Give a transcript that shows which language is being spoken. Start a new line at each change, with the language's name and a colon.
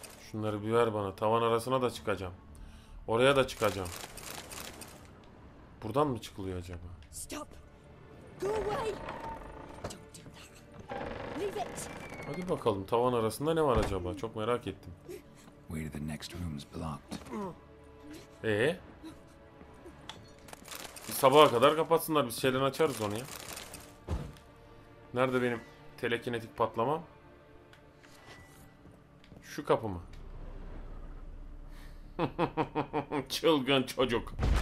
Turkish: Şunları bir ver bana. Tavan arasına da çıkacağım. Oraya da çıkacağım. Buradan mı çıkılıyor acaba?
English: Stop. Go away. Don't do that. Leave it.
Turkish: Hadi bakalım tavan arasında ne var acaba? Çok merak ettim.
English: Where are the next rooms blocked?
Turkish: Bir sabaha kadar kapatsınlar. Biz şeyden açarız onu ya. Nerede benim telekinetik patlama? Şu kapı mı? Çılgın çocuk.